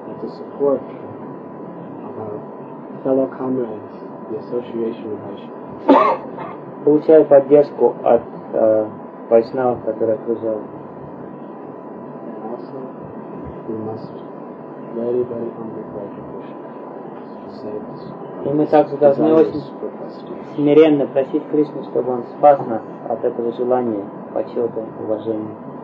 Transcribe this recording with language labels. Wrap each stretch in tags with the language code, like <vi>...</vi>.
<en>It's the support of our fellow comrades, the association of Vaishnavas.</en> <ru>Получая поддержку от Вайшнавов, которые окружают.</ru> <en>And also, we must very, very humbly pray to Krishna.</en> <ru>И мы также должны очень смиренно просить Кришну, чтобы Он спас нас от этого желания, почета, уважения.</ru>